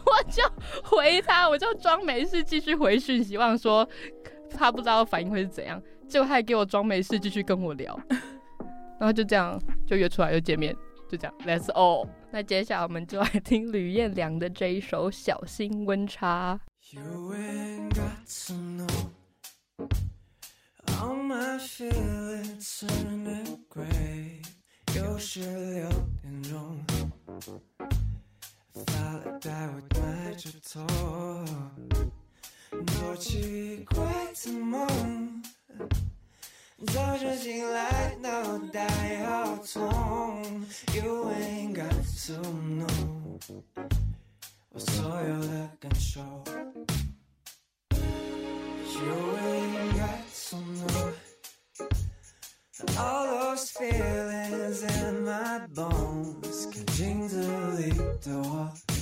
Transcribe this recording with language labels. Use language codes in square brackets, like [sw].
[zh] 就回他，我就装没事继续回讯息，望说他不知道反应会是怎样，结果他还给我装没事继续跟我聊，然后就这样就约出来又见面，就这样 ， [en] That's all。 [zh] 那接下来我们就来听吕彦良的这一首《小心温差》。 [en] You ain't got to know all my feelings turning gray， [zh] 又是六点钟。发了呆我埋着头，多奇怪的梦，早晨醒来脑袋好痛。 [en] You ain't got to know [zh] 我所有的感受。 [en] You ain't got to know All those feelings in my bones [zh] 感情的里的我